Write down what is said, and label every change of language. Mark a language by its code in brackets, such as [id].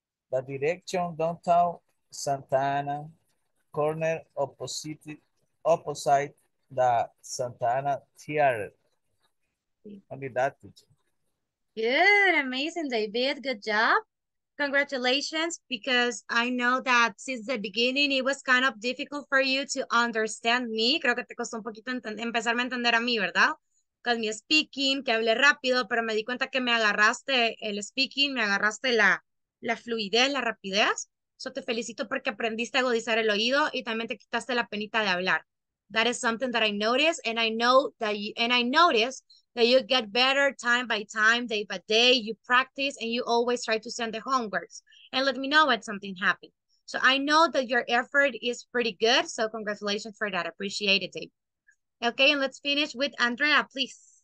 [en] The direction downtown Santa Ana, corner opposite the Santa Ana Theater. Only that teacher. Good, amazing, David. Good job. Congratulations, because I know that since the beginning it was kind of difficult for you to understand me. [es] Creo que te costó un poquito empezarme a entender a mí, ¿verdad? Con mi speaking, que hablé rápido, pero me di cuenta que me agarraste el speaking, me agarraste la fluidez, la rapidez. So te felicito porque aprendiste a agudizar el oído y también te quitaste la penita de hablar. [en] That is something that I noticed, and I know that you, and I noticed that you get better time by time, day by day. You practice and you always try to send the homeworks and let me know when something happened. So I know that your effort is pretty good. So congratulations for that. Appreciate it, Dave. Okay, and let's finish with Andrea, please.